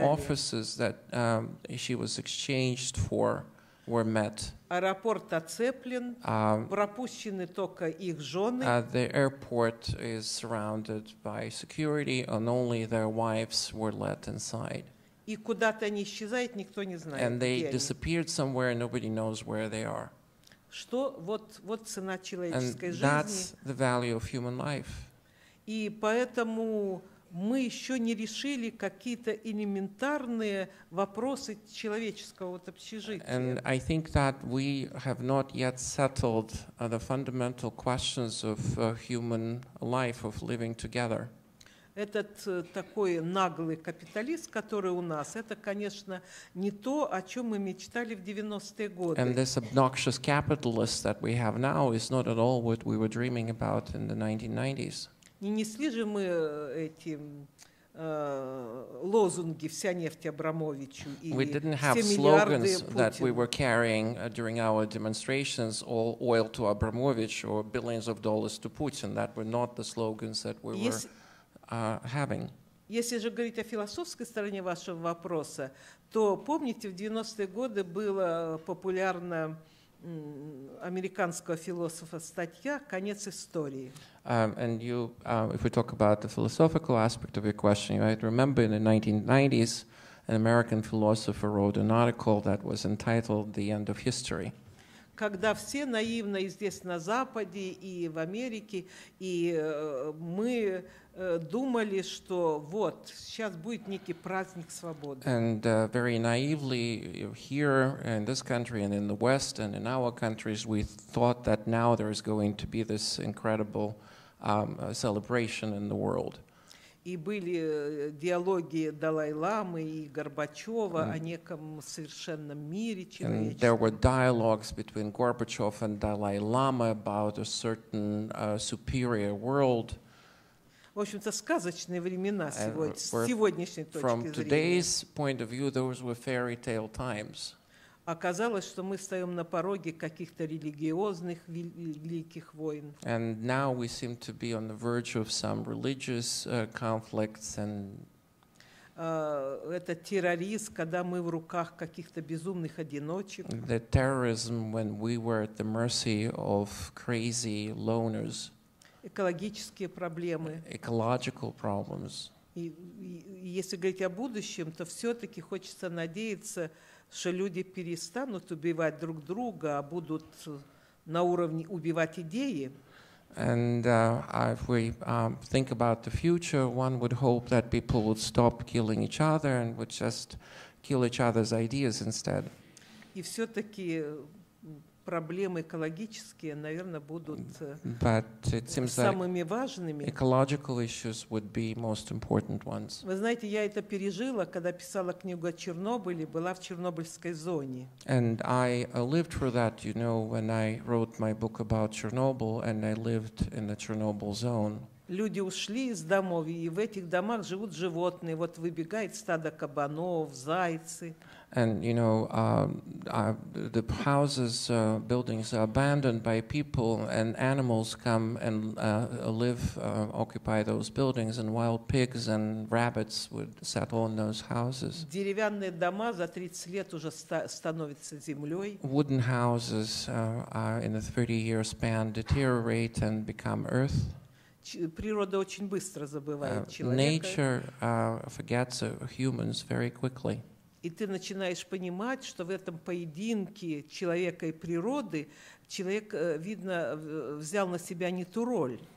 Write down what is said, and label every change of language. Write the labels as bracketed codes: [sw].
[en] officers that she was exchanged for were met. [ru] Аэропорт оцеплен, пропущены только их жены. [en] The airport is surrounded by security, and only their wives were let inside. [ru] И куда-то они исчезают, никто не знает, где они. [en] And they disappeared somewhere, and nobody knows where they are. [ru] Что вот цена человеческой жизни. [en] And that's the value of human life. [ru] И поэтому мы еще не решили какие-то элементарные вопросы человеческого общежития. [en] And I think that we have not yet settled the fundamental questions of human life, of living together. [ru] Этот такой наглый капиталист, который у нас, это, конечно, не то, о чем мы мечтали в 90-е годы. [en] And this obnoxious capitalist that we have now is not at all what we were dreaming about in the 1990s. [ru] Не несли же мы эти лозунги «Вся нефть Абрамовичу» и «Все миллиарды Путин». [en] That we were carrying during our demonstrations, all oil to Abramovich or billions of dollars to Putin. That were not the slogans that we were having. [ru] Если же говорить о философской стороне вашего вопроса, то помните, в 90-е годы было популярно американского философа статья «Конец истории». [en] And you, if we talk about the philosophical aspect of your question, you might remember in the 1990s, an American philosopher wrote an article that was entitled "The End of History." [ru] Когда все наивно и здесь на Западе и в Америке и мы думали, что вот сейчас будет некий праздник свободы. [en] And very naively here in this country and in the West and in our countries, we thought that now there is going to be this incredible celebration in the world. [ru] И были диалоги Далай-ламы и Горбачева о неком совершенном мире человечества. [en] And there were dialogues between Gorbachev and Dalai-lama about a certain superior world. [ru] В общем-то, сказочные времена сегодня, с сегодняшней точки [en] from From today's point of view, those were fairy tale times. [ru] Оказалось, что мы стоим на пороге каких-то религиозных великих войн. [en] And now we seem to be on the verge of some religious conflicts and [ru] это терроризм, когда мы в руках каких-то безумных одиночек. [en] The terrorism when we were at the mercy of crazy loners. [ru] Экологические проблемы. [en] Ecological problems. [ru] И если говорить о будущем, то все-таки хочется надеяться, что люди перестанут убивать друг друга, а будут на уровне убивать идеи. [en] And if we think about the future, one would hope that people would stop killing each other and would just kill each other's ideas instead. [ru] И все-таки проблемы экологические, наверное, будут самыми важными. [en] Ecological issues would be most important ones. [ru] Вы знаете, я это пережила, когда писала книгу о Чернобыле, была в Чернобыльской зоне. [en] And I lived through that, you know, when I wrote my book about Chernobyl, and I lived in the Chernobyl zone. [ru] Люди ушли из домов, и в этих домах живут животные. Вот выбегает стадо кабанов, зайцы. [en] And you know, the houses, buildings are abandoned by people, and animals come and live, occupy those buildings, and wild pigs and rabbits would settle in those houses. [ru] Деревянные дома за 30 лет уже становятся землей. [en] Wooden houses in a 30-year span deteriorate and become earth. [ru] Природа очень быстро забывает человека. [en] Nature forgets humans very quickly. [ru] И ты начинаешь понимать, что в этом поединке человека и природы человек, видно, взял на себя не ту роль.